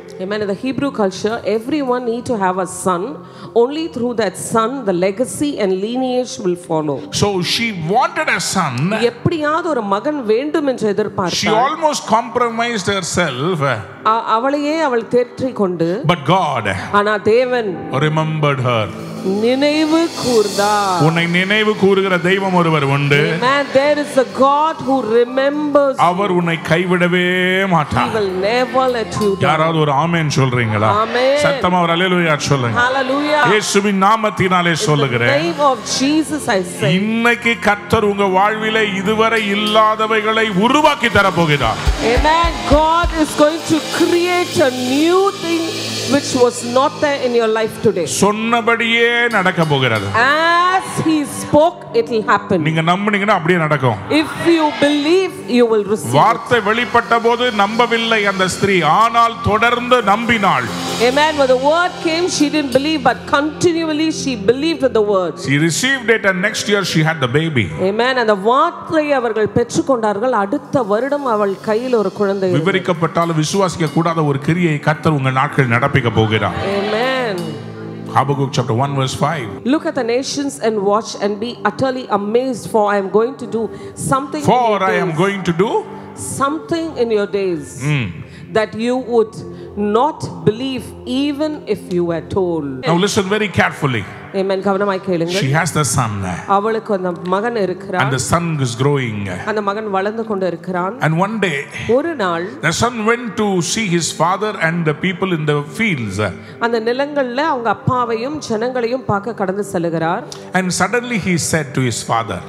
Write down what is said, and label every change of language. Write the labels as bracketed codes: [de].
[en] Amen. In the Hebrew culture, everyone need to have a son. Only through that son, the legacy and lineage will follow. So she wanted a son. [ta] எப்படியாவது ஒரு மகன் வேண்டும் என்று எதிர்பார்த்தாள். [en] She almost compromised herself. [ta] அவளையே அவள் தேற்றிக் கொண்டு. [en] But God. [ta] ஆனா தேவன். [en] Remembered her. [ta] நினைவு கூர்ந்தா. உன்னை நினைவு கூறுகிற தெய்வம் ஒருவர் உண்டு. [en] Amen. There is a God who remembers. [ta] அவர் உன்னை கைவிடவே மாட்டார். [en] He will never let you down. [ta] யாராவது ஒரு ஆமென் சொல்றீங்களா? ஆமென். சத்தமா ஒரு அல்லேலூயா சொல்லுங்க. [en] ஹalleluya. [ta] இயேசுவின் நாமத்தினாலே சொல்லுகிறேன். [en] In the name of Jesus I say. [ta] இன்னைக்கு கர்த்தர் உங்க வாழ்விலே இதுவரை இல்லாதவைகளை உருவாக்கி தர போகிறார். [en] Amen. God is going to create a new thing which was not there in your life today. [ta] சொன்னபடியே நடக்க போகிறது. [en] As he spoke it will happen. [ta] நீங்க நம்புனீங்கனா அப்படியே நடக்கும். [en] If you believe you will receive. [ta] வார்த்தை வெளிப்பட்டபோது நம்பவில்லை அந்த ஸ்திரீ, ஆனால் தொடர்ந்து நம்பினாள். [en] Amen. When the word came she didn't believe but continually she believed with the word. She received it and next year she had the baby. Amen. And the [ta] வார்த்தை அவர்கள் பெற்றுக் கொண்டார்கள், அடுத்த வருடம் அவள் கையில் ஒரு குழந்தை. விவரிக்கப்பட்டாலும் விசுவாசிக்க கூடாத ஒரு கிரியை கர்த்தர் உங்கள் நாட்கள் நடப்பிக்க போகிறார். [en] Amen. Habakkuk chapter 1 verse 5. Look at the nations and watch and be utterly amazed for I am going to do something for in your days. I am going to do something in your days. Mm. That you would not believe even if you were told. Now listen very carefully. [ta] Amen. கவனமாய் கேளுங்கள். [en] She has the son. [ta] அவளுக்கு அந்த மகன் இருக்கிறார். [en] And the son is growing. [ta] அந்த மகன் வளர்ந்து கொண்டிருக்கிறான். [en] And one day. [ta] ஒரு நாள். [en] The son went to see his father and the people in the fields. [ta] அந்த நிலங்கள்ல அவங்க அப்பாவையும் ஜனங்களையும் பார்க்க கடந்து செல்கிறார். [en] And suddenly he said to his father.